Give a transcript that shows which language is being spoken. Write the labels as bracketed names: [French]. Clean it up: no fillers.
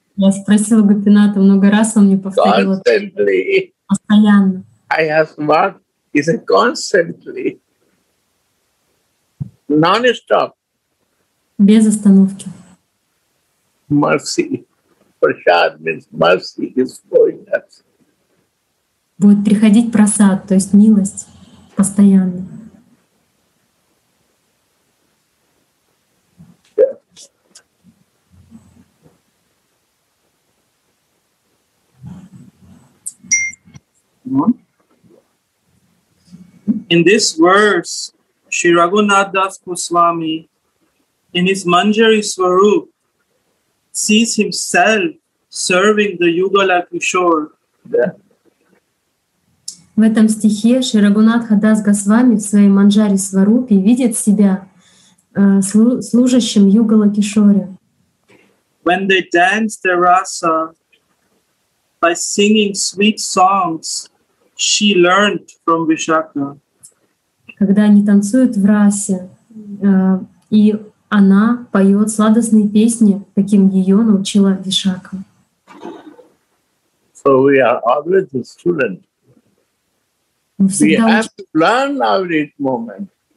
[Russian] Я спросил Гопинатха много раз, он мне повторил. [English] Constantly. [Russian] Постоянно. [English] I ask what is it constantly, non-stop. [Russian] Без остановки. [English] Mercy. Prasad means mercy is going up. [Russian] Будет приходить просад, то есть милость постоянно. [English] In this verse, Sri Raghunath Das Goswami, in his Manjari Swarup, sees himself serving the Yugala Kishore. Yeah. [Russian] В этом стихе Шри Рагунатха Дас Госвами в своей Манджари Сварупе видит себя служащим Югала Кишоре. [English] When they dance the rasa by singing sweet songs, she learned from Vishakha. [Russian] Когда они танцуют в расе, и она поет сладостные песни, каким ее научила Вишакха. [English] So we are always a student. We have to learn every moment.